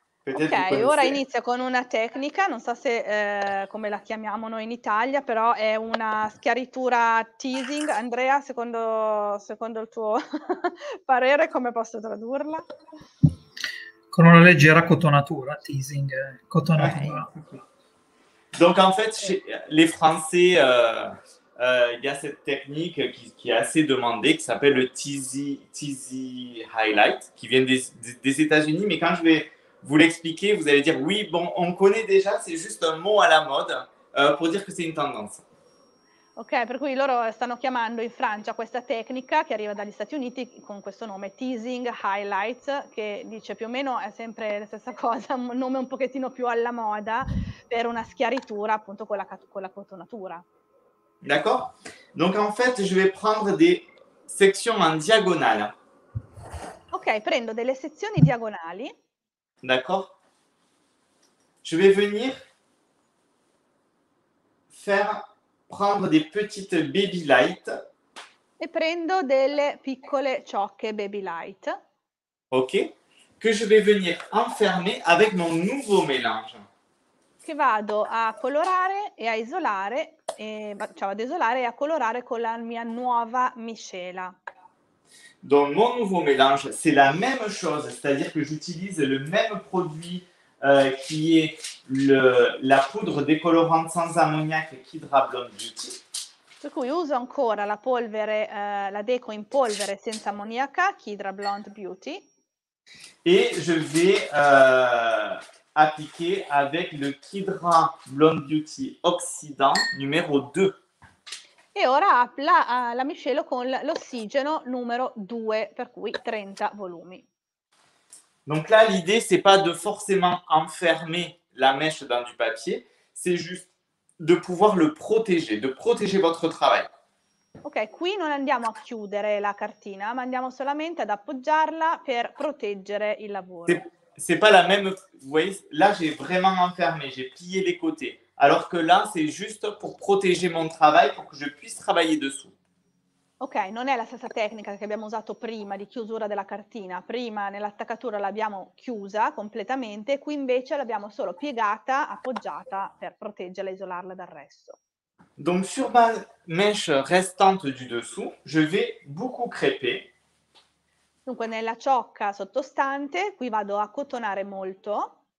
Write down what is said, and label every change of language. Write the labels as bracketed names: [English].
[Italian] Ok, ora inizia con una tecnica, non so se come la chiamiamo noi in Italia, però è una schiaritura teasing. Andrea, secondo il tuo parere, come posso tradurla? Con una leggera cotonatura, teasing, cotonatura. Okay. [French] Donc en fait, les Français, il y a cette technique qui est assez demandée, qui s'appelle le Tizzy Highlight, qui vient des États-Unis, mais quand je vais vous l'expliquer, vous allez dire oui, bon, on connaît déjà, c'est juste un mot à la mode pour dire que c'est une tendance. [Italian] Ok, per cui loro stanno chiamando in Francia questa tecnica che arriva dagli Stati Uniti con questo nome Teasing Highlight, che dice più o meno è sempre la stessa cosa, un nome un pochettino più alla moda per una schiaritura appunto con la cotonatura. [French] D'accord? Donc en fait, je vais prendre des sections en diagonale. [Italian] Ok, prendo delle sezioni diagonali. [French] D'accord? Je vais venir faire prendre des petites baby light. [Italian] E prendo delle piccole ciocche baby light. Ok. [French] Que je vais venir enfermer avec mon nouveau mélange. [Italian] Che vado a colorare e a isolare, vado a isolare e a colorare con la mia nuova miscela. [French] Donc mon nouveau mélange, c'est la même chose, c'est-à-dire que j'utilise le même produit qui est la poudre décolorante sans ammoniac Kidra Blonde Beauty. [Italian] Per cui uso ancora la polvere, la déco in polvere senza ammoniaca Kidra Blonde Beauty. [French] Et je vais appliquer avec le Kidra Blonde Beauty Oxydant numéro 2. [Italian] E ora la miscelo con l'ossigeno numero 2, per cui 30 volumi. [French] Donc là, l'idée, c'est pas de forcément enfermer la mèche dans du papier, c'est juste de pouvoir le protéger, de protéger votre travail. [Italian] Ok, qui non andiamo a chiudere la cartina, ma andiamo solamente ad appoggiarla per proteggere il lavoro. [French] C'est pas la même, vous voyez, là j'ai vraiment enfermé, j'ai plié les côtés, alors que là c'est juste pour protéger mon travail, pour que je puisse travailler dessous. [Italian] Ok, non è la stessa tecnica che abbiamo usato prima di chiusura della cartina. Prima nell'attaccatura l'abbiamo chiusa completamente, qui invece l'abbiamo solo piegata, appoggiata per proteggerla e isolarla dal resto. [French] Donc sur ma mèche restante du dessous, je vais beaucoup crêper. [Italian] Dunque nella ciocca sottostante, qui vado a cotonare molto.